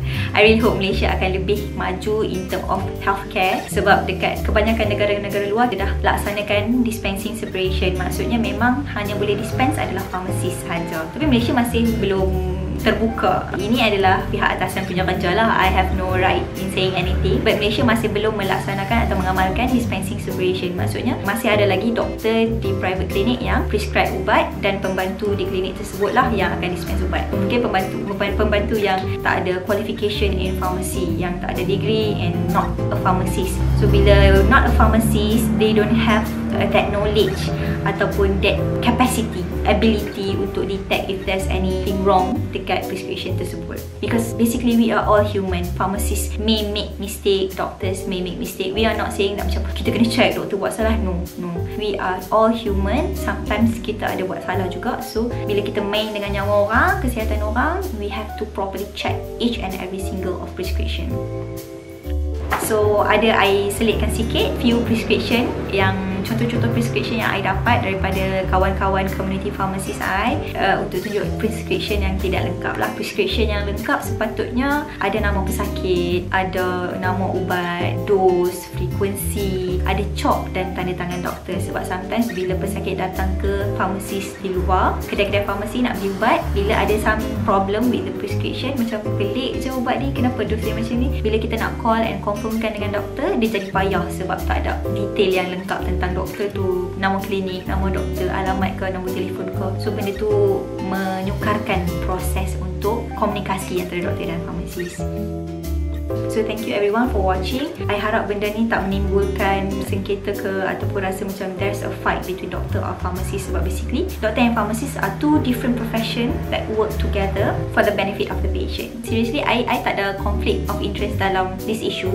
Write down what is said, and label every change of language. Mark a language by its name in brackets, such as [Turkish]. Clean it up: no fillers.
[English] I really hope [Malay] Malaysia akan lebih maju [English] in term of healthcare [Malay] sebab dekat kebanyakan negara-negara luar dia dah laksanakan dispensing separation. Maksudnya memang hanya boleh dispense adalah pharmacist sahaja. Tapi Malaysia masih belum terbuka. Ini adalah pihak atasan punya kerja lah. [English] I have no right in saying anything. [Malay] But Malaysia masih belum melaksanakan atau mengamalkan dispensing separation. Maksudnya masih ada lagi doktor di private clinic yang prescribe ubat dan pembantu di klinik tersebut lah yang akan dispense ubat. Mungkin pembantu yang tak ada qualification in pharmacy, yang tak ada degree [English] and not a pharmacist. So bila not a pharmacist, they don't have that knowledge [Malay] ataupun [English] that capacity, ability untuk detect if there's anything wrong dekat prescription tersebut. Because basically we are all human. Pharmacists may make mistake, doctors may make mistake. We are not saying that [Malay] macam kita kena check doktor buat salah. [English] No, no. We are all human. [Malay] Sometimes kita ada buat salah juga. So bila kita main dengan nyawa orang, kesihatan orang, [English] we have to properly check each and every single of prescription. So ada I selitkan sikit few prescription yang [Malay] contoh-contoh prescription yang I dapat daripada kawan-kawan community pharmacist I untuk tunjuk prescription yang tidak lengkap lah. Prescription yang lengkap sepatutnya ada nama pesakit, ada nama ubat, dos, frekuensi, ada chop dan tanda tangan doktor. Sebab sometimes bila pesakit datang ke pharmacist di luar, kedai-kedai farmasi nak beli ubat, bila ada some problem with the prescription, macam pelik je ubat ni, kenapa dos dia macam ni, bila kita nak call and confirmkan dengan doktor, dia jadi payah sebab tak ada detail yang lengkap tentang doktor tu, nama klinik, nama doktor, alamat ke, nombor telefon ke. So benda tu menyukarkan proses untuk komunikasi antara doktor dan farmasis. [English] So thank you everyone for watching. [Malay] I harap benda ni tak menimbulkan sengketa ke ataupun rasa macam [English] there's a fight between doctor or pharmacist. Sebab basically doctor and pharmacist are two different profession that work together for the benefit of the patient. Seriously, I [Malay] tak ada [English] conflict of interest dalam this issue.